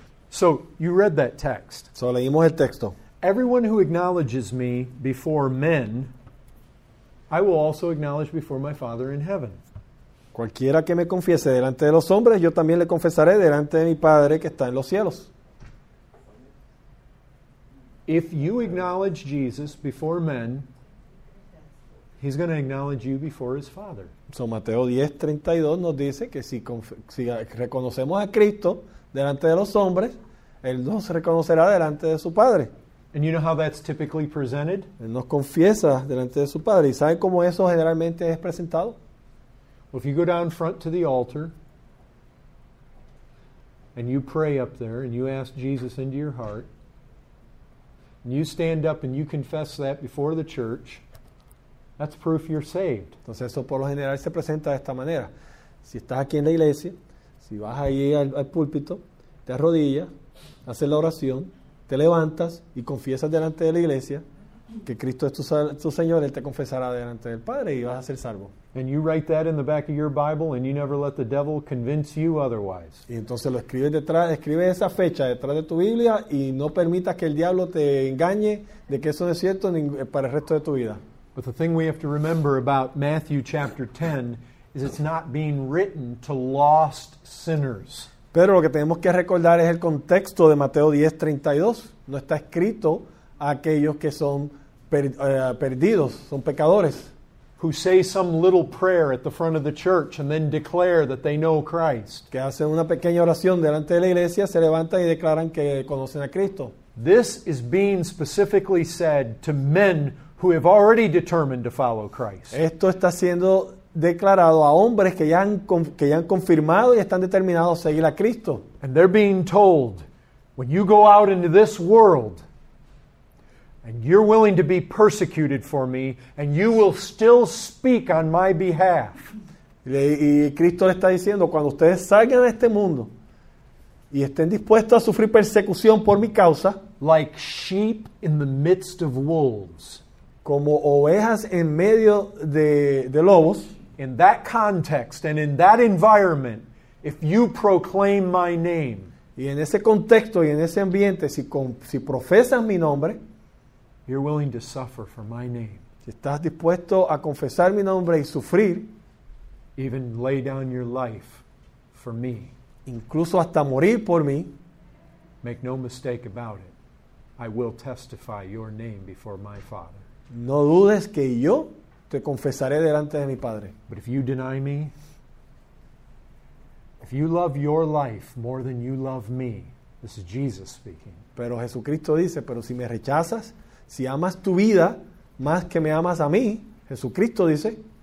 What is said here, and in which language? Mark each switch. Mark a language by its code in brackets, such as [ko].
[en] So, you read that text. [es] So, leímos el texto. [en] Everyone who acknowledges me before men, I will also acknowledge before my Father in heaven. [es] Cualquiera que me confiese delante de los hombres, yo también le confesaré delante de mi Padre que está en los cielos. [en] If you acknowledge Jesus before men, he's going to acknowledge you before his Father. [es] So, Mateo 10:32 nos dice que si reconocemos a Cristo delante de los hombres, él no se reconocerá delante de su padre. [en] And you know how that's typically presented? [es] Él nos confiesa delante de su padre. ¿Y saben cómo eso generalmente es presentado? [en] Well, if you go down front to the altar and you pray up there and you ask Jesus into your heart and you stand up and you confess that before the church, that's proof you're saved. [es] Entonces eso por lo general se presenta de esta manera. Si estás aquí en la iglesia, si vas ahí al púlpito, te arrodillas, haces la oración, te levantas y confiesas delante de la iglesia que Cristo es tu Señor, Él te confesará delante del Padre y vas a ser salvo. [en] And you write that in the back of your Bible and you never let the devil convince you otherwise. [es] Y entonces lo escribes detrás, escribes esa fecha detrás de tu Biblia y no permitas que el diablo te engañe de que eso es cierto para el resto de tu vida. [en] But the thing we have to remember about Matthew chapter 10 is it's not being written to lost sinners. [es] Pero lo que tenemos que recordar es el contexto de Mateo 10:32. No está escrito a aquellos que son perdidos, son pecadores. [en] Who say some little prayer at the front of the church and then declare that they know Christ. [es] Que hacen una pequeña oración delante de la iglesia, se levantan y declaran que conocen a Cristo. [en] This is being specifically said to men who have already determined to follow Christ. [es] Esto está siendo declarado a hombres que ya han confirmado y están determinados a seguir a Cristo. [en] And they're being told, when you go out into this world and you're willing to be persecuted for me and you will still speak on my behalf. [es] Y Cristo le está diciendo, cuando ustedes salgan de este mundo y estén dispuestos a sufrir persecución por mi causa, [en] like sheep in the midst of wolves, [es] como ovejas en medio de lobos, [en] in that context and in that environment, if you proclaim my name, [es] y en ese contexto y en ese ambiente, si profesas mi nombre, [en] you're willing to suffer for my name, [es] si estás dispuesto a confesar mi nombre y sufrir, [en] even lay down your life for me, [es] incluso hasta morir por mí, [en] make no mistake about it, I will testify your name before my Father. [es] No dudes que yo te confesaré delante de mi Padre. [en] But if you deny me, if you love your life more than you love me, this is Jesus speaking. [es] Pero Jesucristo dice, pero si me rechazas, si amas tu vida más que me amas a mí, Jesucristo dice,